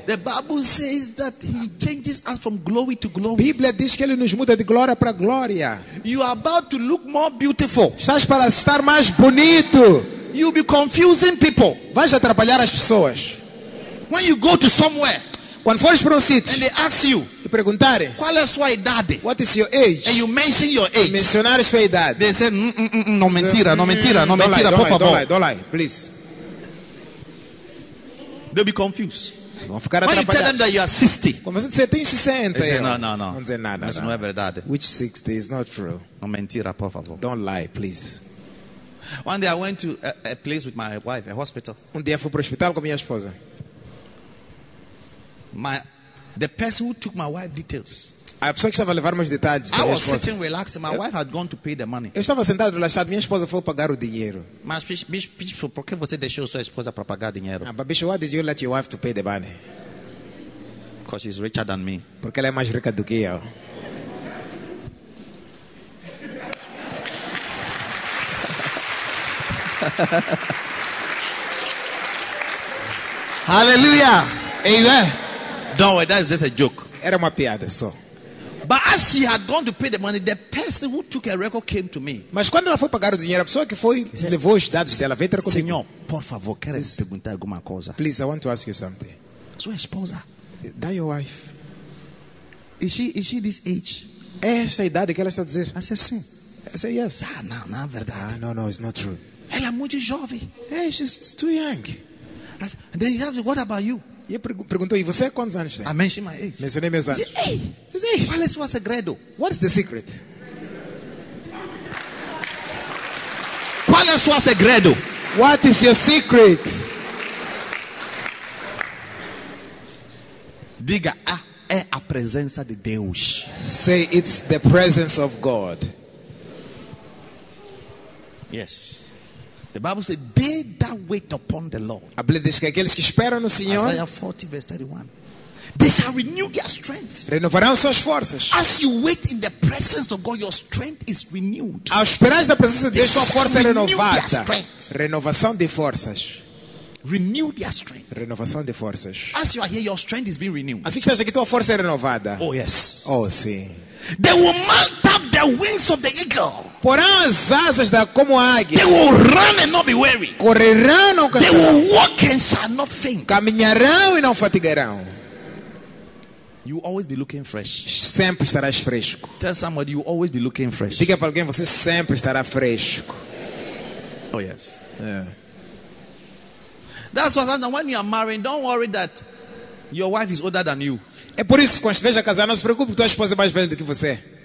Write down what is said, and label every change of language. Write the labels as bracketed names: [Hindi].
[English] The Bible says that he changes us from glory to glory. [Portuguese] Bíblia diz que ele nos muda de glória para glória. [English] You are about to look more beautiful. [Portuguese] Estás para estar mais bonito. [English] You'll be confusing people. [Portuguese] Vai atrapalhar as pessoas. [English] When you go to somewhere, [Portuguese] quando fores para um sítio, [English] and they ask you, [Portuguese] e perguntarem, qual é sua idade? [English] What is your age? And you mention your age. [Portuguese] Mencionar sua idade. [English] They say, [Portuguese] não mentira, não mentira, não mentira, por favor. [English] Don't lie, don't lie, please. They'll be confused. [Portuguese] Vão ficar [English] when you tell them that you are 60, [Portuguese] quando você disser, tenho 60, [English] say, no, no, no. [Portuguese] Dizer, [English] nah, [Portuguese] isso não é verdade. [English] Which 60 is not true? [Portuguese] Não mentira, por favor. [English] Don't lie, please. One day I went to a place with my wife, a hospital. [Portuguese] Um dia fui para o hospital com minha esposa. [English] The person who took my wife's details. A pessoa que estava a levar meus detalhes. I was sitting relaxed. My wife had gone to pay the money. [Portuguese] Eu estava sentado relaxado. Minha esposa foi pagar o dinheiro. Mas bicho, por que você deixou sua esposa para pagar dinheiro? [English] Ah, but bicho, why did you let your wife to pay the money? Because she's richer than me. [Portuguese] Porque ela é mais rica do que eu. Hallelujah. Amen. [English] Don't worry, that's just a joke. [Portuguese] Era uma piada só. [English] But as she had gone to pay the money, the person who took her record came to me. [Portuguese] Mas quando ela foi pagar o dinheiro, a pessoa que foi levou os dados dela veio ter comigo. Senhor, por favor, quero lhe perguntar alguma coisa. [English] Please, I want to ask you something. [Portuguese] Sua esposa? [English] That your wife? Is she this age? [Portuguese] É essa idade que ela está a dizer? [English] I said, [Portuguese] sim. [English] I said, yes. [Portuguese] Ah, não, não é verdade. [English] Ah, no, no, it's not true. [Portuguese] Ela é muito jovem. [English] Hey, she's too young. Then he asked me, what about you? [Portuguese] E perguntou, e você quantos anos tem? [English] I mentioned my age. [Portuguese] Mencionei meus anos. Hey, qual é o seu segredo? [English] What is the secret? [Portuguese] Qual é o seu segredo? [English] What is your secret? [Portuguese] Diga, é a presença de Deus. [English] Say, it's the presence of God. Yes. The Bible says, they that wait upon the Lord. [Portuguese] A Bíblia diz que aqueles que esperam no Senhor. [English] Isaiah 40, verse 31. They shall renew their strength. [Portuguese] Renovarão suas forças. [English] As you wait in the presence of God, your strength is renewed. [Portuguese] Ao esperar na presença de Deus, sua força é renovada. [English] Renew their strength. [Portuguese] Renovação de forças. [English] Renew their strength. [Portuguese] Renovação de forças. [English] As you are here, your strength is being renewed. [Portuguese] Assim que estás aqui, tua força é renovada. [English] Oh, yes. [Portuguese] Oh, sim. [English] They will mount up the wings of the eagle. [Portuguese] Porão as asas da como águia. [English] They will run and not be weary. [Portuguese] Correrão não cansarão. [English] They will walk and shall not faint. [Portuguese] Caminharão e não fatigarão. [English] You always be looking fresh. [Portuguese] Sempre estarás fresco. [English] Tell somebody you always be looking fresh. [Portuguese] Diga para alguém, você sempre estará fresco. [English] Oh yes. Yeah. That's why when you are married, don't worry that your wife is older than you. [Portuguese] É por isso que quando estiver a casar, não se preocupe que tua esposa é mais velha do que você.